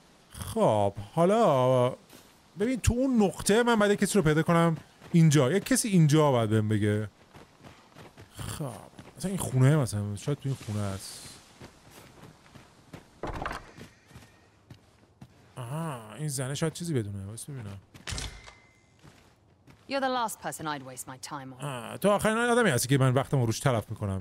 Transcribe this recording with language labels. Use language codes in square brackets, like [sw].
[fa] خب حالا ببین تو اون نقطه من باید کسی رو پیدا کنم. اینجا یک کسی اینجا باید بهم بگه. خب مثلا این خونه، مثلا شاید توی این خونه هست. آها این زنه شاید چیزی بدونه. بس ببینم. [en] You're the last person I'd waste my time on. [fa] تو آخرین آدمی هستی که من وقتم روش تلف میکنم.